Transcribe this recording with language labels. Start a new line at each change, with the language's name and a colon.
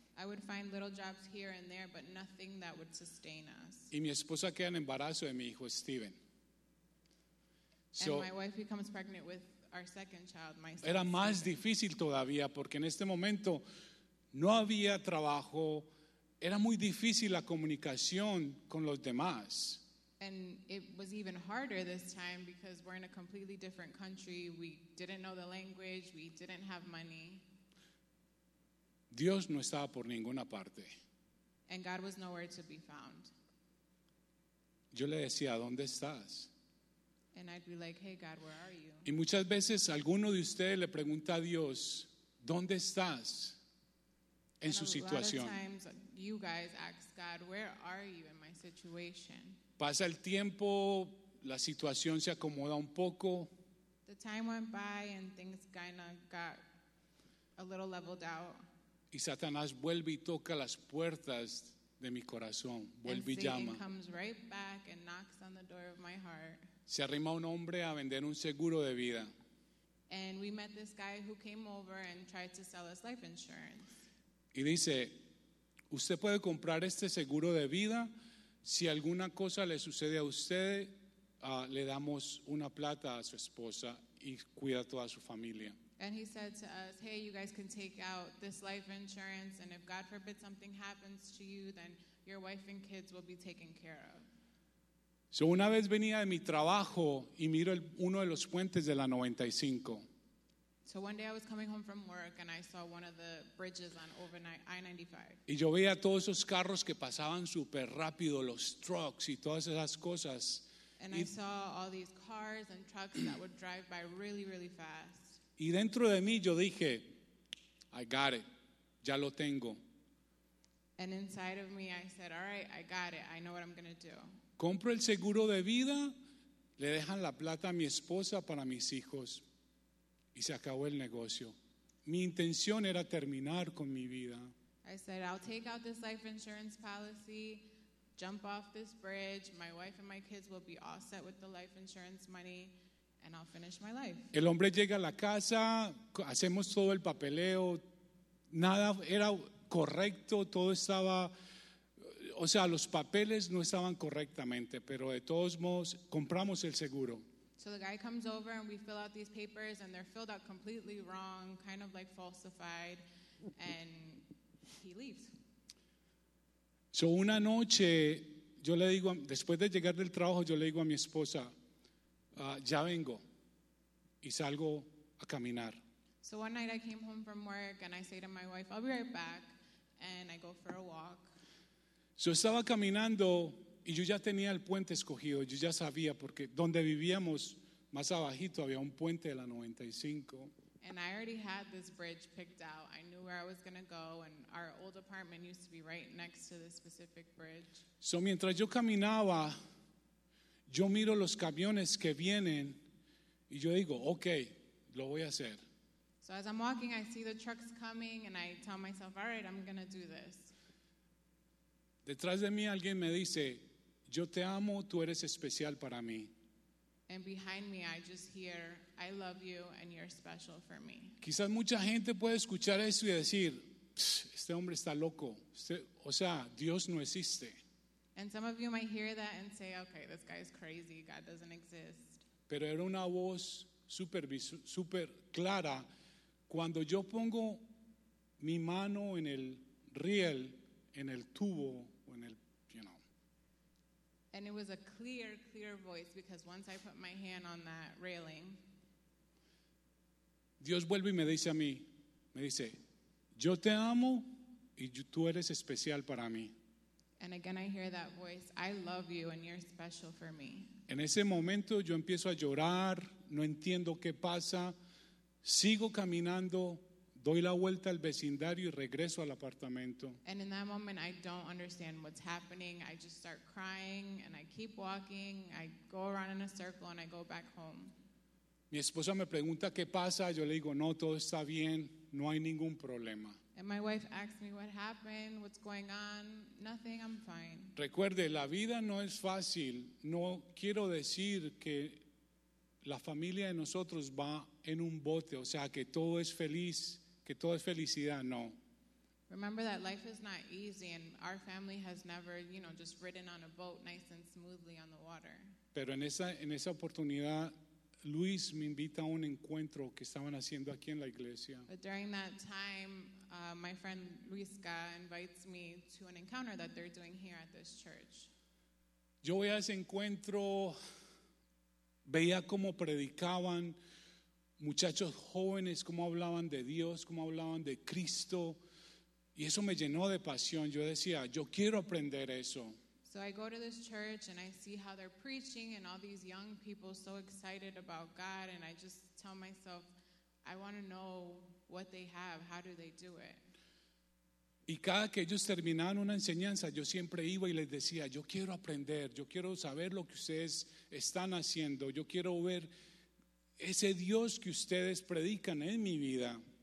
English: I would find little jobs here and there, but nothing that would sustain us.
Spanish: Y mi esposa queda en embarazo de mi hijo, Steven.
English: So, and my wife becomes pregnant with our second child, my son.
Spanish: Era más difícil todavía, porque en este momento no había trabajo, era muy difícil la comunicación con los demás.
English: And it was even harder this time because we're in a completely different country. We didn't know the language. We didn't have money.
Spanish: Dios no estaba por ninguna parte.
English: And God was nowhere to be found.
Spanish: Yo le decía, ¿dónde estás?
English: And I'd be like, hey, God, where are you?
Spanish: Y muchas veces alguno de ustedes le pregunta a Dios, ¿dónde estás en su situación?
English: And a lot of times you guys ask God, where are you in my situation?
Spanish: Pasa el tiempo, la situación se acomoda un poco.
English: The time went by and things kind of got a little leveled out.
Spanish: Y Satanás vuelve y toca las puertas de mi corazón. Vuelve y llama.
English: Satan comes right back and knocks on the door of my heart.
Spanish: Se arrima un hombre a vender un seguro de vida.
English: And we met this guy who came over and tried to sell us life insurance.
Spanish: Y dice, usted puede comprar este seguro de vida. Si alguna cosa le sucede a usted, le damos una plata a su esposa y cuida toda su familia.
English: And he said to us, hey, you guys can take out this life insurance, and if God forbid something happens to you, then your wife and kids will be taken care of.
Spanish: So una vez venía de mi trabajo y miro uno de los puentes de la 95.
English: So one day I was coming home from work and I saw one of the bridges on I-95.
Spanish: Y yo veía todos esos carros que pasaban súper rápido, los trucks y todas esas cosas.
English: And I saw all these cars and trucks that would drive by really, really fast.
Spanish: Y dentro de mí yo dije,
English: I got it,
Spanish: ya lo tengo.
English: And inside of me I said, all right, I got it, I know what I'm going to do.
Spanish: Compro el seguro de vida, le dejan la plata a mi esposa para mis hijos. Y se acabó el negocio. Mi intención era terminar con mi vida.
English: I said, I'll take out this life insurance policy, jump off this bridge, my wife and my kids will be all set with the life insurance money, and I'll finish my life.
Spanish: El hombre llega a la casa, hacemos todo el papeleo, nada era correcto, todo estaba, o sea, los papeles no estaban correctamente, pero de todos modos, compramos el seguro.
English: So the guy comes over and we fill out these papers and they're filled out completely wrong, kind of like falsified, and he leaves.
Spanish: So una noche, yo le digo, después de llegar del trabajo, yo le digo a mi esposa, ya vengo, y salgo a caminar.
English: So one night I came home from work and I say to my wife, I'll be right back, and I go for a walk.
Spanish: So estaba caminando. Y yo ya tenía el puente escogido, yo ya sabía, porque donde vivíamos, más abajito, había un puente de la 95.
English: And I already had this bridge picked out. I knew where I was going to go, and our old apartment used to be right next to this specific bridge.
Spanish: So mientras yo caminaba, yo miro los camiones que vienen, y yo digo, okay, lo voy a hacer.
English: So as I'm walking, I see the trucks coming, and I tell myself, all right, I'm going to do this.
Spanish: Detrás de mí alguien me dice, yo te amo, tú eres especial para mí.
English: And behind me I just hear, I love you and you're special for me.
Spanish: Quizás mucha gente puede escuchar eso y decir, este hombre está loco. Dios no existe.
English: And some of you might hear that and say, okay, this guy is crazy, God doesn't exist.
Spanish: Pero era una voz super clara. Cuando yo pongo mi mano en el riel, en el tubo, o en el,
English: you know. And it was a clear voice, because once I put my hand on that railing,
Spanish: Dios vuelve y me dice a mí, me dice, yo te amo y tú eres especial para mí.
English: And again I hear that voice, I love you and you're special for me.
Spanish: En ese momento yo empiezo a llorar, no entiendo qué pasa. Sigo caminando, doy la vuelta al vecindario y regreso al apartamento.
English: And in that moment I don't understand what's happening. I just start crying and I keep walking. I go around in a circle and I go back home.
Spanish: Mi esposa me pregunta qué pasa, yo le digo, no, todo está bien, no hay ningún problema.
English: And my wife asks me what happened, what's going on, nothing, I'm fine.
Spanish: Recuerde, la vida no es fácil, no quiero decir que la familia de nosotros va en un bote, o sea, que todo es feliz, que todo es felicidad, no.
English: Remember that life is not easy and our family has never, you know, just ridden on a boat nice and smoothly on the water.
Spanish: Pero en esa oportunidad, Luis me invita a un encuentro que estaban haciendo aquí en la iglesia.
English: But during that time, my friend Luisca invites me to an encounter that they're doing here at this church.
Spanish: Yo voy a ese encuentro, veía cómo predicaban muchachos jóvenes, cómo hablaban de Dios, cómo hablaban de Cristo, y eso me llenó de pasión. Yo decía, yo quiero aprender eso.
English: So I go to this church and I see how they're preaching and all these young people so excited about God, and I just tell myself, I want to know what they have, how do they do it?
Spanish: Y cada que ellos terminaban una enseñanza, yo siempre iba y les decía, yo quiero aprender, yo quiero saber lo que ustedes están haciendo, yo quiero ver ese Dios que ustedes predican en mi vida.